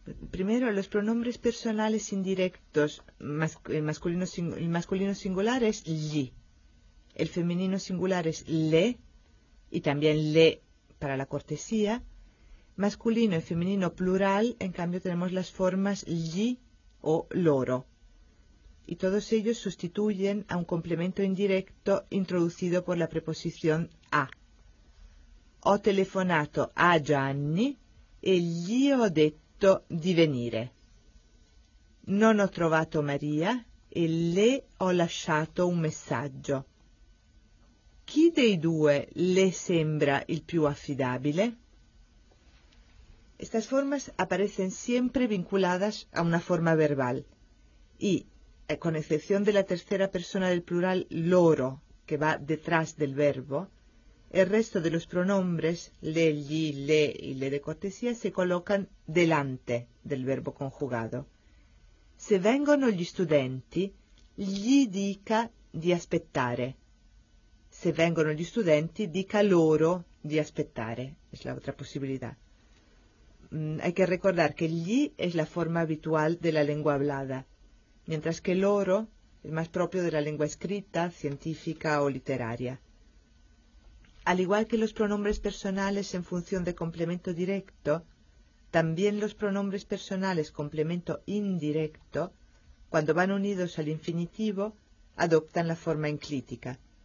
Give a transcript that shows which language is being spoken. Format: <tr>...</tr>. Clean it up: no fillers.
<es>Primero, los pronombres personales indirectos, el masculino singular es gli, el femenino singular es le, y también le para la cortesía. Masculino y femenino plural, en cambio, tenemos las formas gli o loro. Y todos ellos sustituyen a un complemento indirecto introducido por la preposición a.</es> <it>Ho telefonato a Gianni e gli ho detto di venire. Non ho trovato Maria e le ho lasciato un messaggio. Chi dei due le sembra il più affidabile?</it> <es>Estas formas aparecen siempre vinculadas a una forma verbal y, con excepción de la tercera persona del plural loro, que va detrás del verbo, el resto de los pronombres, le, gli, le y le de cortesía, se colocan delante del verbo conjugado.</es> <it>Se vengono gli studenti, gli dica di aspettare. Se vengono gli studenti, dica loro di aspettare.</it> <es>Es la otra posibilidad. Hay que recordar que gli es la forma habitual de la lengua hablada, mientras que loro es más propio de la lengua escrita, científica o literaria. Al igual que los pronombres personales en función de complemento directo, también los pronombres personales complemento indirecto, cuando van unidos al infinitivo, adoptan la forma enclítica.</es>